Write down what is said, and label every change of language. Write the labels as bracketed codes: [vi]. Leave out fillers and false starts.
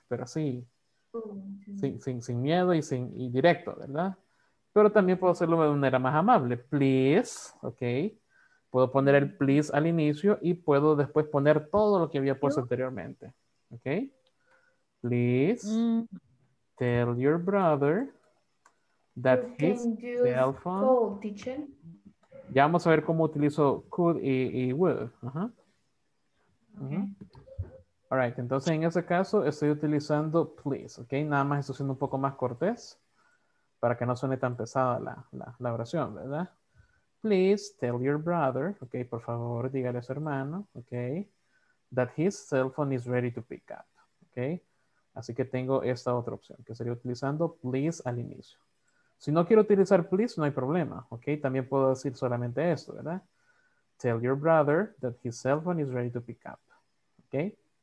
[es] Pero así, sin miedo y directo, ¿verdad? Pero también puedo hacerlo de manera más amable. Please, ¿ok? Puedo poner el please al inicio y puedo después poner todo lo que había puesto anteriormente, ¿ok? [en] Please. Mm. Tell your brother that you his cell phone. Could, teacher. [es] Ya vamos a ver cómo utilizo could y would. Uh-huh. Okay. [en] All right. [es] Entonces, en ese caso, estoy utilizando please. Ok. Nada más estoy siendo un poco más cortés para que no suene tan pesada la oración, ¿verdad? [en] Please tell your brother. [es] Ok. Por favor, dígale a su hermano. Ok. [en] That his cell phone is ready to pick up. Ok. [es] Así que tengo esta otra opción, que sería utilizando please al inicio. Si no quiero utilizar please, no hay problema, ¿ok? También puedo decir solamente esto, ¿verdad? [en] Tell your brother that his cell phone is ready to pick up, ¿ok?